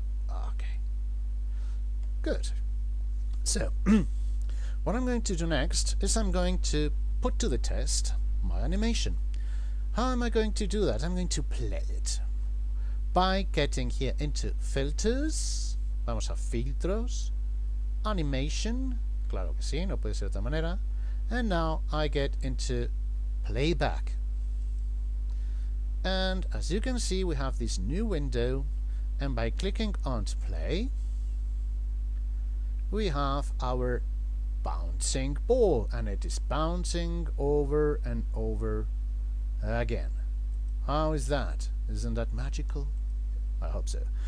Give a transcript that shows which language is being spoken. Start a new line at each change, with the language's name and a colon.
English: Okay, good. So what I'm going to do next is I'm going to put to the test my animation. How am I going to do that? I'm going to play it by getting here into filters.
Spanish: Vamos a filtros, animation, claro que sí, no puede ser de otra manera.
English: And now I get into playback. And as you can see, we have this new window, and by clicking on play, we have our bouncing ball, and it is bouncing over and over again. How is that? Isn't that magical? I hope so.